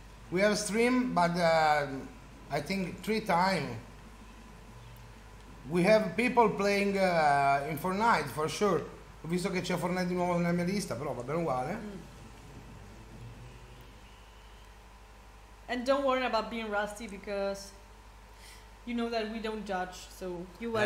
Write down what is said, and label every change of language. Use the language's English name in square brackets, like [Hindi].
[English] We have stream, but I think three times. We have people playing in Fortnite, for sure. [Italian] Ho visto che c'è Fortnite di nuovo nella mia lista, però va bene uguale. [English] And don't worry about being rusty because you know that we don't judge, so you are